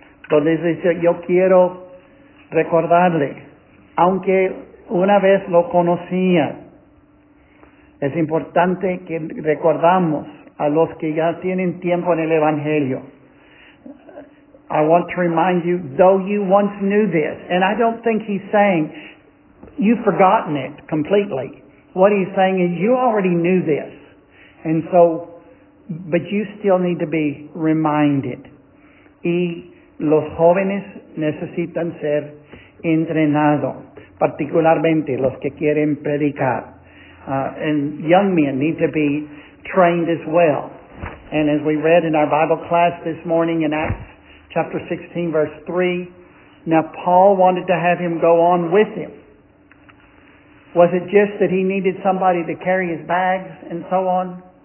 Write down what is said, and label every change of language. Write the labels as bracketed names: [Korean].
[Spanish] Donde dice, yo quiero recordarle, aunque una vez lo conocía, es importante que recordamos a los que ya tienen tiempo en el Evangelio. [English] I want to remind you, though you once knew this, and I don't think he's saying you've forgotten it completely. What he's saying is you already knew this, and so, but you still need to be reminded. [Spanish] Y los jóvenes necesitan ser entrenados, particularmente los que quieren predicar. [English] And young men need to be trained as well. And as we read in our Bible class this morning in Acts chapter 16, verse 3, now Paul wanted to have him go on with him. Was it just that he needed somebody to carry his bags and so on?